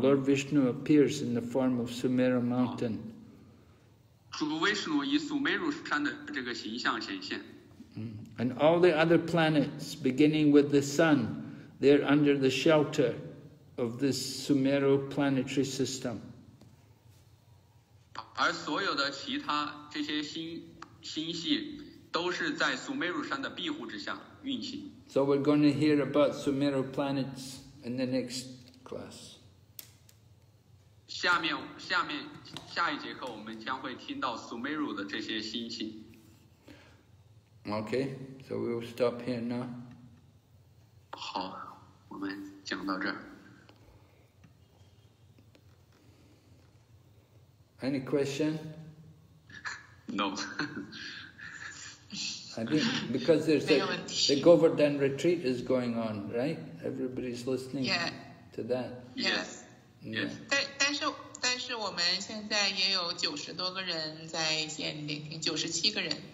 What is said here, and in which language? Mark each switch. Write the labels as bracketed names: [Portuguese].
[English] Lord Vishnu appears in the form of Sumeru mountain. [Chinese] 主威士努以苏美如山的这个形象显现。 [English] And all the other planets, beginning with the sun, they're under the shelter of this Sumeru planetary system. [Chinese] 而所有的其他这些星系都是在 Sumeru 山的庇护之下运行。 [English] So we're going to hear about Sumeru planets in the next class. [Chinese] 下一节课我们将会听到 Sumeru 的这些星系。 [English] Okay, so we will stop here now. [Chinese] 好，我们讲到这儿。 [English] Any question? No. I think because there's the Govardhan retreat is going on, right? Everybody's listening yeah. to that. Yes. Yes. [Chinese] 但是我们现在也有90多个人在线聆听，97个人。